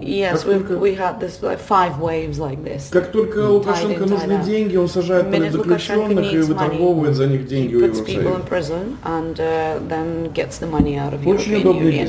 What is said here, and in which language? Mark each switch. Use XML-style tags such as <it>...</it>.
<en>Yes, we had this like five waves like this.</en> <ru>Как только Лукашенко нужны деньги, он сажает политзаключенных и выторговывает за них деньги у Евросоюза.</ru> <en>Puts people in prison and then gets the money out of European Union.</en>